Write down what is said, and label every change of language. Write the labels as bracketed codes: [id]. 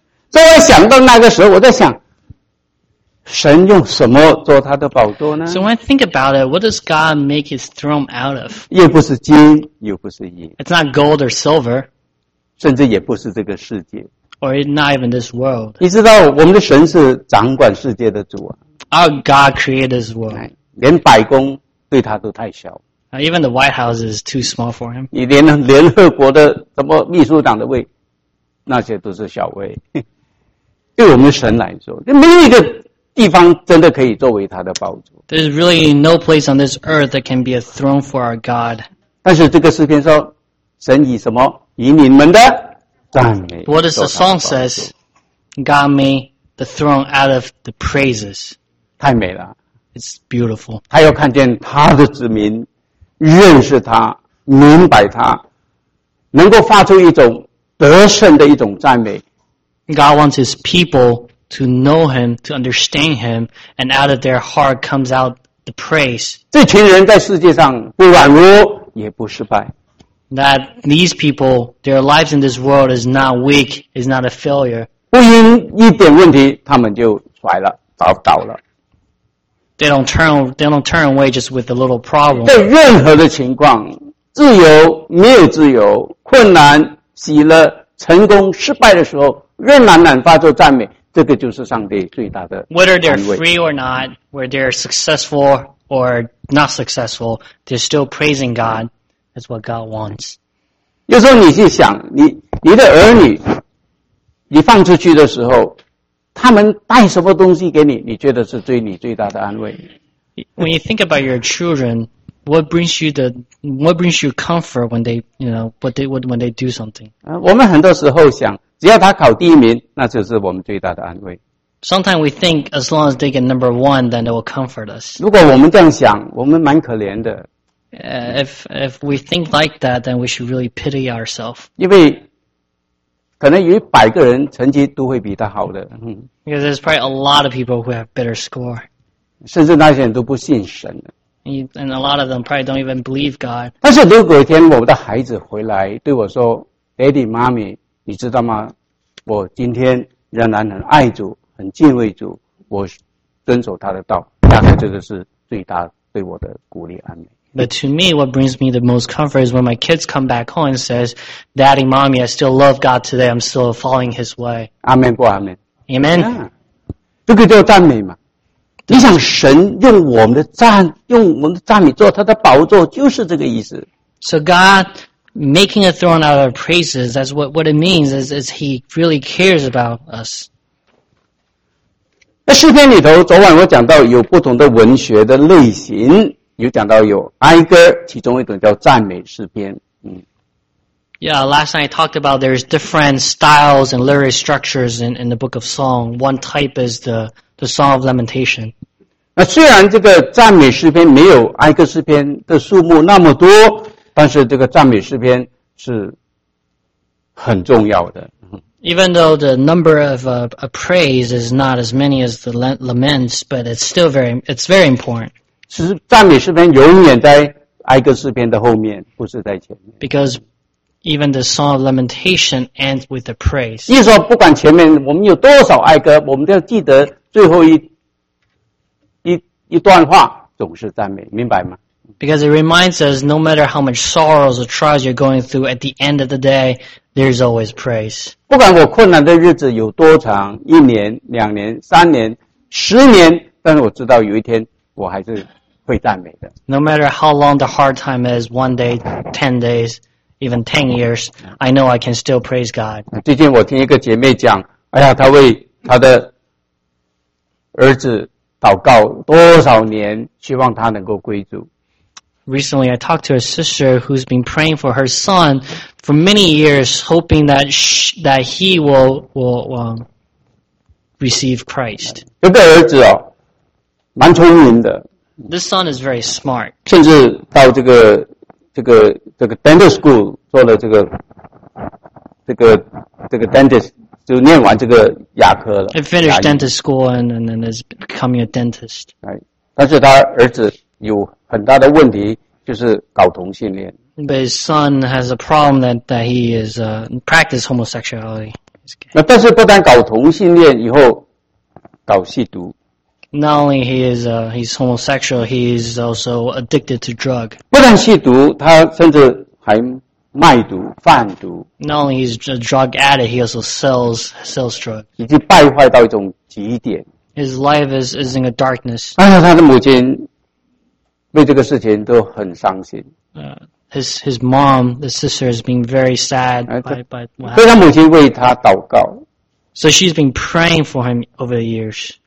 [zh] 所以我想到那个时候，我在想，神用什么做他的宝座呢？ [en] So when I think about it, what does God make his throne out of? [zh] 又不是金，又不是银。 [en] It's not gold or silver. [zh] 甚至也不是这个世界。 [en] Or not even this world. [zh] 你知道我们的神是掌管世界的主啊。 [en] Our God created this world. [zh] 连白宫对他都太小。 [en] Even the White House is too small for him. [zh] 你连联合国的什么秘书长的位，那些都是小位。对我们的神来说，没有一个地方真的可以作为他的宝座。 [en] There's really no place on this earth that can be a throne for our God. [zh] 但是这个诗篇说，神以什么？以你们的 [en] What does the song says? God made the throne out of the praises. [zh] 太美了。 [en] It's beautiful. [zh] 他要看见他的子民认识他，明白他，能够发出一种得胜的一种赞美。 [en] God wants his people to know him, to understand him, and out of their heart comes out the praise. [zh] 这群人在世界上不软弱，也不失败。 [en] That these people, their lives in this world is not weak, is not a failure. [zh] 不因一点问题，他们就甩了，倒了。 [en] They don't turn away just with a little problem. [zh] 在任何的情况，自由没有自由，困难、喜乐、成功、失败的时候，仍然敢发出赞美，这个就是上帝最大的安慰。 [en] Whether they're free or not, whether they're successful or not successful, they're still praising God. That's what God wants. [zh] 有时候你去想，你的儿女，你放出去的时候，他们带什么东西给你？你觉得是对你最大的安慰。 [en] When you think about your children, what brings you comfort when they, you know, when they do something? [zh] 我们很多时候想，只要他考第一名，那就是我们最大的安慰。 [en] Sometimes we think as long as they get number one, then it will comfort us. [zh] 如果我们这样想，我们蛮可怜的。 [en] If we think like that, then we should really pity ourselves. [zh] 因为可能有100个人成绩都会比他好的。 [en] Because there's probably a lot of people who have better score. [zh] 甚至那些人都不信神。 [en] And a lot of them probably don't even believe God. [zh] 但是如果有一天我的孩子回来对我说 , [en] Daddy, Mommy, [zh] 你知道吗？我今天仍然很爱主，很敬畏主，我遵守他的道，大概这个是最大对我的鼓励安慰。 [en] But to me, what brings me the most comfort is when my kids come back home and says, Daddy, Mommy, I still love God today. I'm still following His way. Amen, 不 amen. Amen. [zh] Yeah. 这个叫赞美嘛。你想神用我们的赞，用我们的赞美做他的宝座，就是这个意思。 [en] So God making a throne out of praises, that's what it means, is he really cares about us. [zh] 那诗篇里头，昨晚我讲到有不同的文学的类型，有讲到有哀歌，其中一种叫赞美诗篇。 [en] Yeah, last night I talked about there's different styles and lyric structures in the book of song. One type is the song of lamentation. [zh] 那虽然这个赞美诗篇没有哀歌诗篇的数目那么多，但是这个赞美诗篇是很重要的。 [en] Even though the number of a praise is not as many as the laments, but it's very important. [zh] 是赞美诗篇永远在哀歌诗篇的后面，不是在前面。 [en] Because even the song of lamentation ends with the praise. [zh] 意思说，不管前面我们有多少哀歌，我们都要记得最后一段话总是赞美，明白吗？ [en] Because it reminds us, no matter how much sorrows or trials you're going through, at the end of the day, there's always praise. [zh] 不管我困难的日子有多长，一年、两年、三年、十年，但是我知道有一天我还是会赞美的。 [en] No matter how long the hard time is, one day, 10 days, even 10 years, I know I can still praise God. [zh] 最近我听一个姐妹讲，哎呀，她为她的儿子祷告多少年，希望他能够归主。 [en] Recently, I talked to a sister who's been praying for her son for many years, hoping that he will receive Christ. [zh] 这个儿子哦，蛮聪明的。 [en] This son is very smart. [zh] 甚至到这个 dental school 做了这个 dentist， 就念完这个牙科了。 [en] He finished dentist school and then is becoming a dentist. [zh] 但是他儿子有很大的问题，就是搞同性恋。 [en] But his son has a problem that he is practice homosexuality. [zh] 那但是不但搞同性恋，以后搞吸毒。 [en] Not only he is he's homosexual, he is also addicted to drug. [zh] 不但吸毒，他甚至还卖毒、贩毒。 [en] Not only he's a drug addict, he also sells drugs. [zh] 已经败坏到一种极点。 [en] His life is in a darkness. [zh] 但是他的母亲为这个事情都很伤心。 [en] His mom, the sister, has been very sad by what happened. [zh] 所以他母亲为他祷告。 [en] So she's been praying for him over the years.